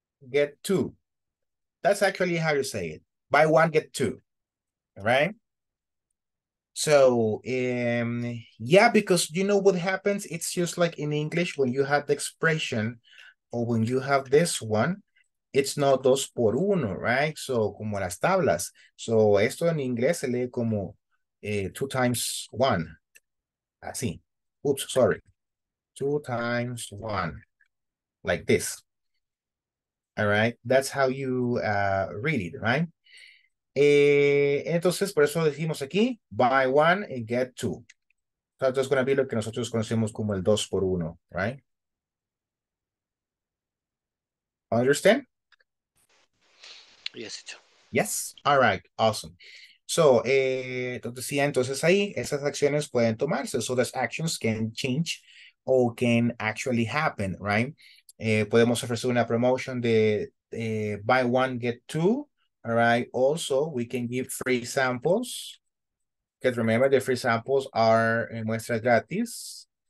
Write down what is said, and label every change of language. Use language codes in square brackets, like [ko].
[en] get two. That's actually how you say it. Buy one, get two. All right? So, yeah, because you know what happens? It's just like in English, when you have the expression, or when you have this one, it's not [es] dos por uno, [en] right? [es] So, como las tablas. So, esto en inglés se lee como [en] two times one. Así. Oops, sorry. Two times one. Like this. All right? That's how you read it, right? [es] Entonces, por eso decimos aquí, [en] buy one and get two. So, that's going to be [es] lo que nosotros conocemos como el dos por uno, [en] right? Understand? Yes, yes. All right. Awesome. [es] So, entonces, sí, entonces ahí esas acciones pueden tomarse. [en] So, those actions can change or can actually happen, right? [es] Podemos ofrecer una promotion de [en] buy one, get two. All right. Also, we can give free samples. Because remember, the free samples are [es] muestras gratis.